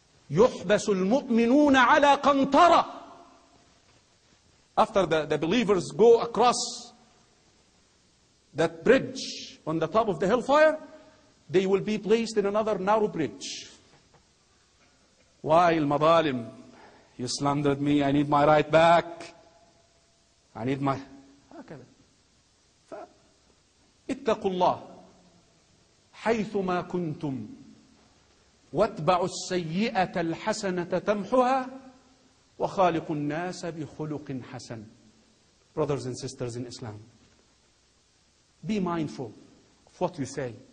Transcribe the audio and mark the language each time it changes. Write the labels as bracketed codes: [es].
[ar] يحبس المؤمنون على قنطرة. [en] After the believers go across that bridge on the top of the hellfire, they will be placed in another narrow bridge. Why, المظالم, you slandered me, I need my right back. I need my... [ar] هكذا. فاتقوا الله حيثما كنتم واتبعوا السيئة الحسنة تمحها وخالقوا الناس بخلق حسن. [en] Brothers and sisters in Islam, be mindful of what you say.